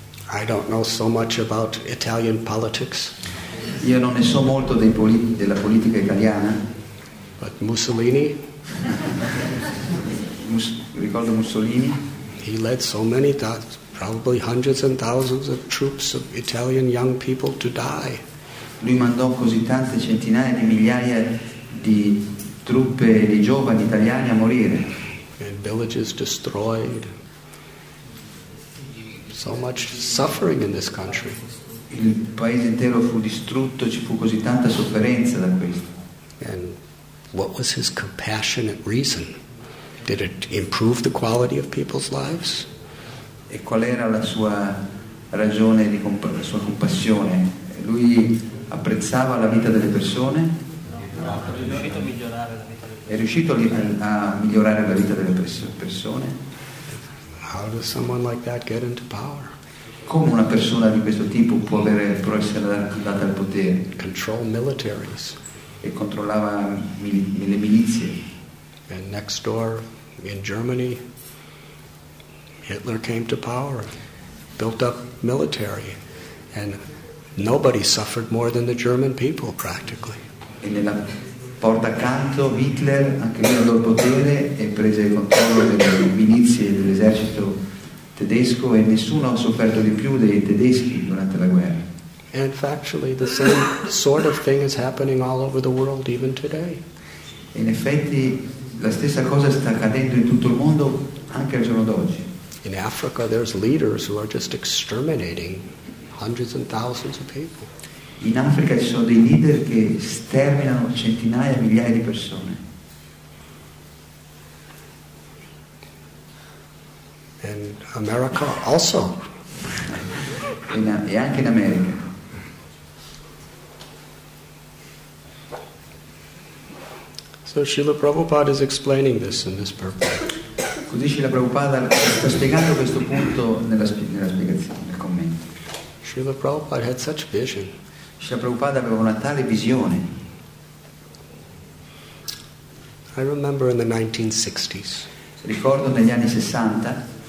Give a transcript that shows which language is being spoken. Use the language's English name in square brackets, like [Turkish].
[English] I don't know so much about Italian politics. [Italian] Io non ne so molto dei della politica italiana. [English] But Mussolini? [Italian] Ricordo Mussolini. [English] He led so many probably hundreds and thousands of troops of Italian young people to die. [Italian] Lui mandò così tante centinaia di migliaia di truppe di giovani italiani a morire. [English] And villages destroyed. So much suffering in this country. [Italian] Il paese intero fu distrutto, ci fu così tanta sofferenza da questo. [English] And what was his compassionate reason? Did it improve the quality of people's lives? [Italian] E qual era la sua ragione di la sua compassione? Lui apprezzava la vita delle persone? È riuscito a migliorare la vita delle persone? [English] How does someone like that get into power? [Italian] Come una persona di questo tipo può avere, può essere data al potere? [English] Control militaries. [Italian] E controllava le milizie. [English] And next door, in Germany, Hitler came to power, built up military, and nobody suffered more than the German people, practically. [Italian] E nella porta accanto, Hitler, anche lui andò al potere e prese il controllo delle milizie dell'esercito tedesco e nessuno ha sofferto di più dei tedeschi durante la guerra. [English] And factually, the same sort of thing is happening all over the world even today. [Italian] In effetti, la stessa cosa sta accadendo in tutto il mondo anche al giorno d'oggi. [English] In Africa, there's leaders who are just exterminating hundreds and thousands of people. [Italian] In Africa ci sono dei leader che sterminano centinaia e migliaia di persone. [English] And America also. [Italian] E anche in America. [English] So Srila Prabhupada is explaining this in this purport. [Italian] Così Srila Prabhupada sta spiegando questo punto nella spiegazione, nel commento. [English] Srila Prabhupada had such vision. [Italian] Srila Prabhupada aveva una tale visione. [English] I remember in the 1960s. [Italian] Ricordo negli anni 60.